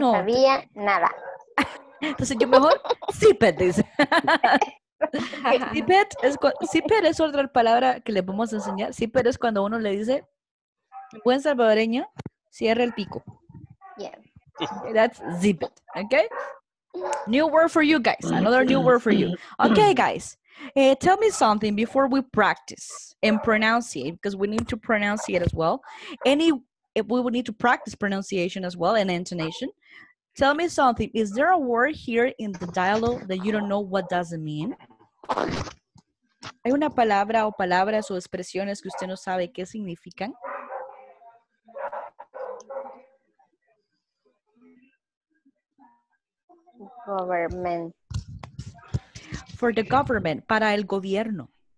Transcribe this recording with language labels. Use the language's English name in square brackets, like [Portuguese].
[Spanish] No sabía nada. Entonces yo mejor, zipet, dice. Zipet es otra palabra que le vamos a enseñar. Zipet es cuando uno le dice, buen salvadoreño, cierra el pico. [English] Yeah. That's zipet, okay? New word for you guys, another new word for you. Okay, guys, tell me something before we practice and pronunciate, because we need to pronunciate as well. We would need to practice pronunciation as well and intonation. Tell me something. Is there a word here in the dialogue that you don't know what does it mean? [Spanish] ¿Hay una palabra o palabras o expresiones que usted no sabe qué significan? [English] Government. For the government, [Spanish] para el gobierno.